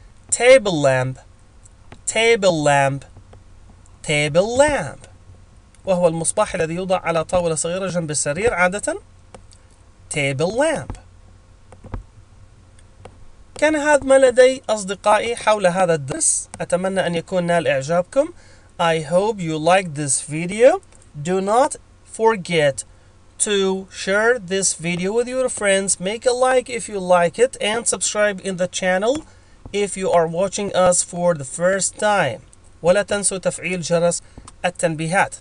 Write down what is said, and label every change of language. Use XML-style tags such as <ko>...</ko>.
<en>Table lamp، table lamp، table lamp،</en> <ar>وهو المصباح الذي يوضع على طاولة صغيرة جنب السرير عادة.</ar> <en>Table lamp.</en> <ar>كان هذا ما لدي أصدقائي حول هذا الدرس، أتمنى أن يكون نال إعجابكم.</ar> <en>I hope you like this video. Do not forget to share this video with your friends. Make a like if you like it and subscribe in the channel if you are watching us for the first time.</en> <ar>ولا تنسوا تفعيل جرس التنبيهات.</ar>